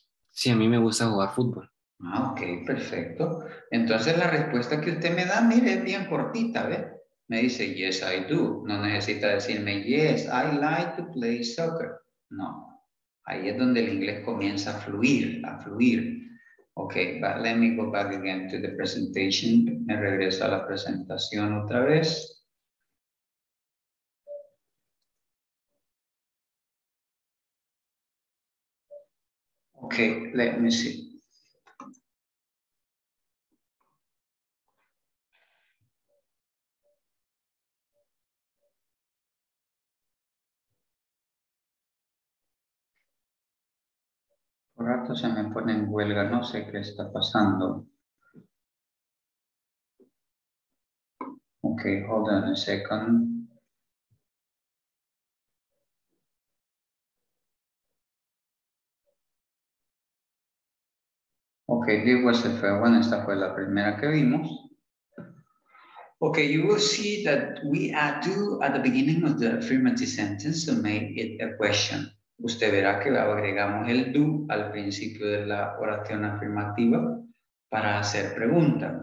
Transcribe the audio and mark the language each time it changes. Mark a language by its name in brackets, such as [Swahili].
[Spanish] Sí, a mí me gusta jugar fútbol. Ah, okay, perfecto. Entonces la respuesta que usted me da, mire, es bien cortita, ¿ve? Me dice, [English] yes, I do. [Spanish] No necesita decirme, [English] yes, I like to play soccer. [Spanish] No, ahí es donde el inglés comienza a fluir. [English] Okay, but let me go back again to the presentation. [Spanish] Me regreso a la presentación otra vez. [English] Okay, let me see. [Spanish] Por rato se me pone en huelga, no sé qué está pasando. [English] Okay, hold on a second. Ok, this was the first one. [Spanish] Esta fue la primera que vimos. [English] Ok, you will see that we add do at the beginning of the affirmative sentence to make it a question. [Spanish] Usted verá que agregamos el do al principio de la oración afirmativa para hacer pregunta.